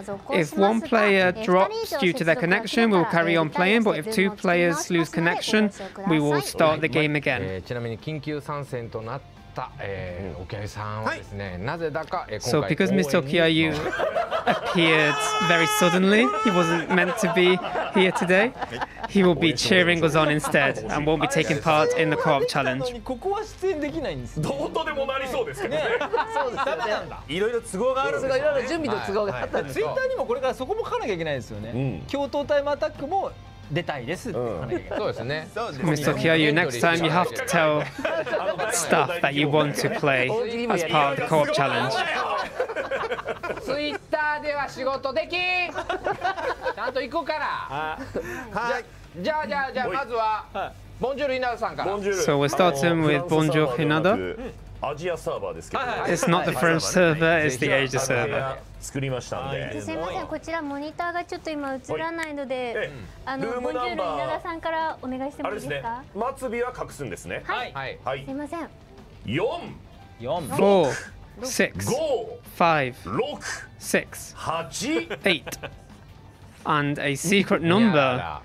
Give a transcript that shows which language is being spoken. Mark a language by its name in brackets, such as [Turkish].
[English] If one player drops due to their connection, we will carry on playing, but if two players lose connection, we will start the game again. [Japanese] ちなみに緊急参戦となった、お客さんはですね、なぜだか、今回 [English] So because Mr. Okiayu appeared very suddenly, he wasn't meant to be here today, he will be cheering us on instead and won't be taking part in the co-op challenge. [Japanese] ここは出演できないんですどうとでもなりそうですけどね。いろいろ都合があるんですよね。いろいろ準備と都合があったんですよ。ツイッターにもこれからそこも書かなきゃいけないですよね。共闘タイムアタックも出たいですって書かなきゃいけない。そうですね。Mr. [English] Kiyo, next time you have to tell staff that you want to play as part of the co-op challenge. [Japanese] ツイッターでは仕事できちゃんと行くから。じゃあまずは、ボンジュール稲田さんから。 [English] So we're starting with ボンジュール稲田。 [Japanese] アジアサーバーですけど、 [English] ね、It's not the French server, it's the Asia server. [Japanese] 作りましたんで。すみません、こちらモニターがちょっと今映らないので、あのボンジュール稲田さんからお願いしてもいいですか。末尾は隠すんですね。はい。はい、すみません。 [English] 4, 4, 6, 5, 6, 8, and a secret number.